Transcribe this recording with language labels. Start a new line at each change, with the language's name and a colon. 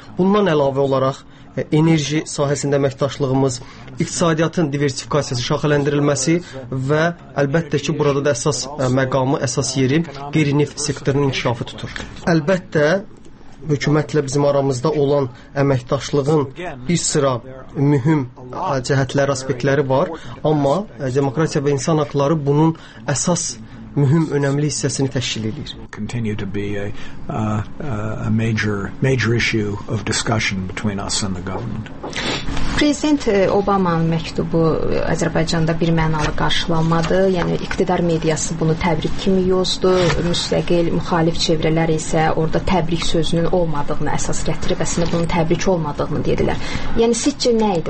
Azerbaijani: Bundan əlavə olaraq enerji sahəsində əməkdaşlığımız, iqtisadiyyatın diversifikasiyası şaxələndirilməsi və əlbəttə ki, burada da əsas məqamı, əsas yeri qeyri-neft sektorunun inkişafı tutur. Əlbəttə, hökumətlə bizim aramızda olan əməkdaşlığın bir sıra mühüm cəhətləri, aspektləri var, amma demokratiya və insan haqları bunun əsas mühüm, önəmli hissəsini təşkil edir.
English: Continue to be a major issue of discussion between us and the government.
Azerbaijani: Prezident Obamanın məktubu Azərbaycanda bir mənalı qarşılanmadı. Yəni iqtidar mediyası bunu təbrik kimi yozdu. Müstəqil müxalif çevrələr isə orada təbrik sözünün olmadığını əsas gətirib, əslində bunun təbrik olmadığını dedilər. Yəni sizcə nə idi?